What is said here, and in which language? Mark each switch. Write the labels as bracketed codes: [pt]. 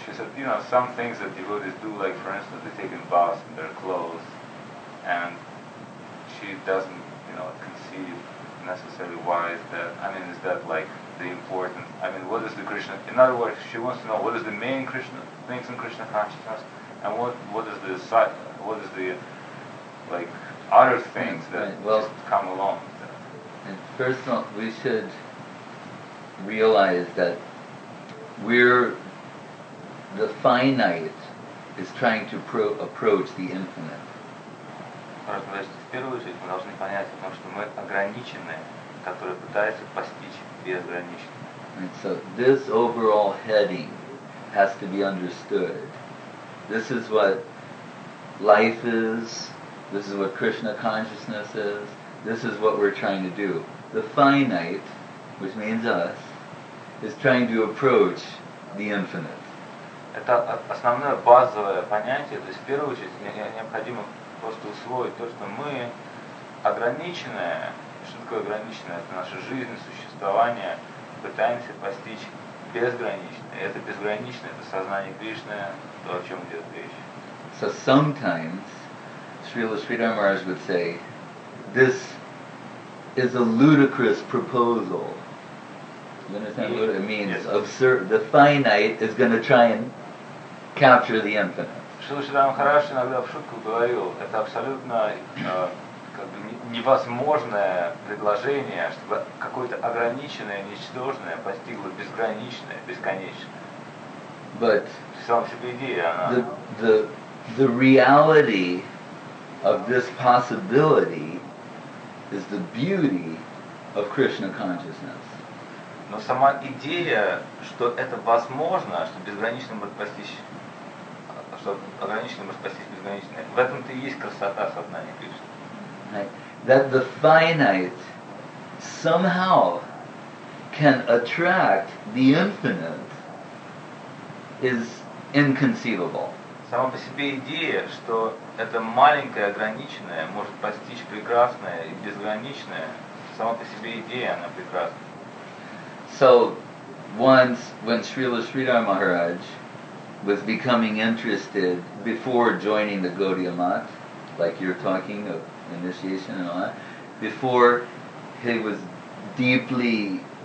[en] She said, you know, some things that devotees do, like, for instance, they take a bath in their clothes, and she doesn't, you know, conceive necessarily why is that, I mean, is that, like, the important, I mean, what is the Krishna, in other words, she wants to know what is the main Krishna, things in Krishna consciousness, and what is the, like, other things that just come along. And first of all, we should realize that we're the finite is trying to approach the infinite. [ru] В первую очередь мы должны понять, потому что мы ограниченные, которые пытаются постичь безграничное. [en] And so this overall heading has to be understood. This is what life is. This is what Krishna consciousness is. This is what we're trying to do. The finite, which means us, is trying to approach the infinite. [ru] Это основное базовое понятие. То есть в первую очередь необходимо просто усвоить то, что мы ограниченное. Что такое ограниченное? Это наша жизнь, существование. Пытаемся постичь безграничное. И это безграничное, это сознание Кришны, то, о чем идет речь. [en] So sometimes Srila Sridhar Maharaj would say, this is a ludicrous proposal. You understand what it means? Yes. Absurd. The finite is going to try and capture the infinite. [ru] Шрила Шридхар Махарадж иногда в шутку говорил, это абсолютно как бы невозможное предложение, чтобы какое-то ограниченное, ничтожное постигло безграничное, бесконечное. [en] But [ru] сама себе идея, она... [en] The reality of this possibility is the beauty of Krishna consciousness. [ru] Но сама идея, что это возможно, что безгранично может постичь, что ограниченное может постичь безграничное, в этом-то и есть красота сознания Кришны. [en] That the finite somehow can attract the infinite is inconceivable. [ru] Сама по себе идея, что это маленькое ограниченное может постичь прекрасное и безграничное, сама по себе идея, она прекрасна. [en] So once when Srila Sridhar Maharaj was becoming interested before joining the Gaudiya Math, like you're talking of initiation and all that, before he was deeply